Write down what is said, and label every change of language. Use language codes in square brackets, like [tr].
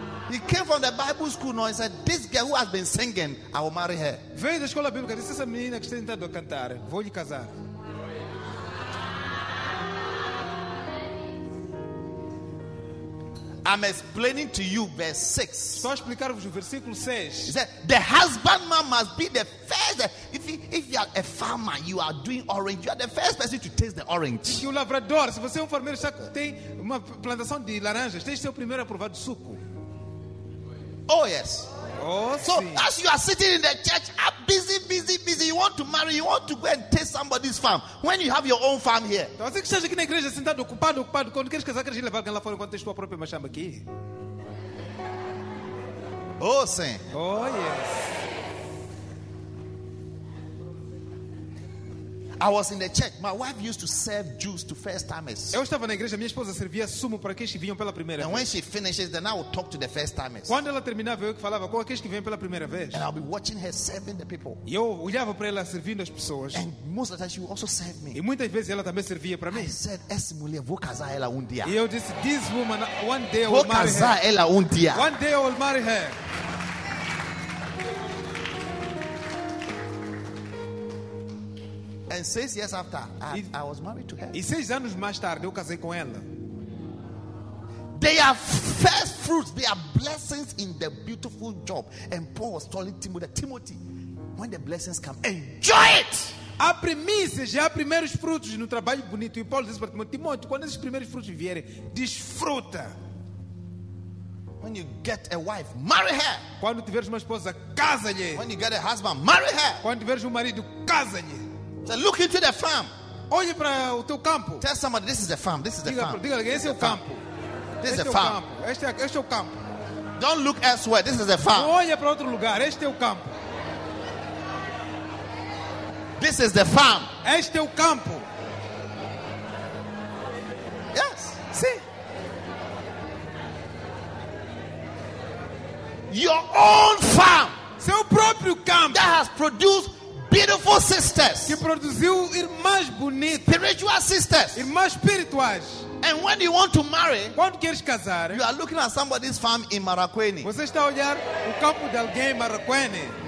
[en] He came from the Bible school and said, this girl who has been singing, I will marry her. [pt] Veio da escola bíblica, disse essa menina que está tentando cantar, vou lhe casar. [en] Oh, I'm explaining to you verse 6. [pt] Só explicar-vos o versículo 6. [en] He said, the husbandman must be the first. If you are a farmer, you are doing orange. You are the first person to taste the orange. [pt] E o lavrador, se você é farmeiro, já tem uma plantação de laranjas, tem que ser o primeiro a provar do suco. [en] Oh, yes. Oh, so [pt] sim. [en] As you are sitting in the church, busy, you want to marry, you want to go and taste somebody's farm. When you have your own farm here. [pt] Então, você que está aqui na igreja sentado, ocupado, quando queres casar, queres levar alguém lá fora enquanto tens tua própria chama aqui. Oh, sim. [en] Oh, yes. I was in the church. My wife used to serve Jews to first timers. [pt] Eu estava na igreja, minha esposa servia sumo para aqueles que vinham pela primeira vez. [en] And when she finishes, then I would talk to the first timers. [pt] Quando ela terminava, eu que falava com aqueles que vêm pela primeira vez. [en] And I'll be watching her serving the people. [pt] Eu olhava para ela servindo as pessoas. [en] And most of the time she would also serve me. [pt] E muitas vezes ela também servia para mim. [en] I said, [pt] essa mulher vou casar ela um dia. E eu disse, [en] this woman, one day [pt] vou casar ela um dia. [en] One day I will marry her. And 6 years after, I was married to her. [pt] E 6 anos mais tarde, eu casei com ela. [en] They are first fruits. They are blessings in the beautiful job. And Paul was telling Timothy, when the blessings come, enjoy it. [pt] Há primícias e há primeiros frutos no trabalho bonito. E Paulo diz para Timóteo, quando esses primeiros frutos vierem, desfruta. [en] When you get a wife, marry her. [pt] Quando tiveres uma esposa, casa-lhe. [en] When you get a husband, marry her. [pt] Quando tiveres marido, casa-lhe. [en] So look into the farm. [pt] Olhe para o teu campo. [en] Tell somebody this is the farm. This is the [pt] diga, [en] farm. [pt] Diga, esse é o campo. [en] This is the farm. [pt] Este é o campo. [en] Don't look elsewhere. This is the farm. [pt] Não olhe para outro lugar. Este é o campo. [en] This is the farm. [pt] Este é o campo. [en] Yes. [pt] Sim. [en] Your own farm. [pt] Seu próprio campo. [en] That has produced beautiful sisters. [pt] Que produziu irmãs bonitas. [en] Spiritual sisters. [pt] Irmãs espirituais. [en] And when you want to marry, [pt] quando queres casar, [en] you are looking at somebody's farm in Marakweni. [pt] Você está a olhar o campo de alguém em Marakweni.